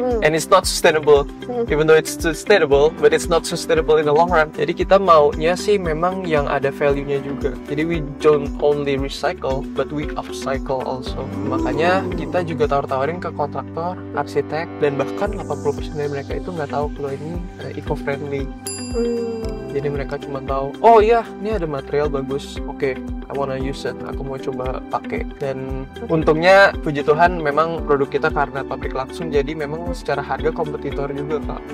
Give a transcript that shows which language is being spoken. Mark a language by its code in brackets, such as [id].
[en] And it's not sustainable. Even though it's sustainable, but it's not sustainable in the long run. [id] Jadi kita maunya sih memang yang ada value-nya juga. [en] Jadi we don't only recycle, but we upcycle also. [id] Makanya kita juga tawar-tawarin ke kontraktor, arsitek, dan bahkan 80% dari mereka itu nggak tahu kalau ini eco-friendly. Jadi mereka cuma tahu, oh iya, ini ada material bagus. Oke, [en] I wanna use it, [id] aku mau coba pakai. Dan untungnya puji Tuhan memang produk kita karena pabrik langsung, jadi memang secara harga kompetitor juga kak.